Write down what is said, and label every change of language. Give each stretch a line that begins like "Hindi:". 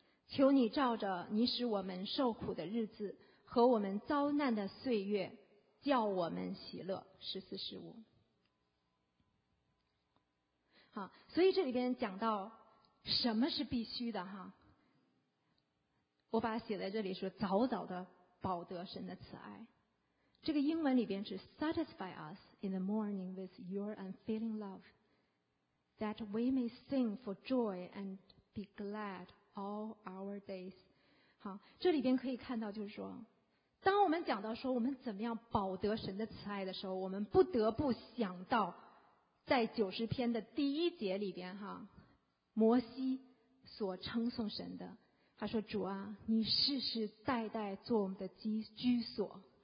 Chinese: 求你照着你使我们受苦的日子和我们遭难的岁月，叫我们喜乐。 14:15。好，所以这里边讲到什么是必须的哈，我把它写在这里，说早早的保得神的慈爱。这个英文里边是
English: Satisfy us in the morning with your unfailing love, that we may sing for joy and be glad all our days.
Chinese: 好，这里边可以看到，就是说当我们讲到说我们怎么样保得神的慈爱的时候，我们不得不想到在90篇的第一节里边哈，摩西所称颂神的，他说，主啊，你世世代代做我们的居所。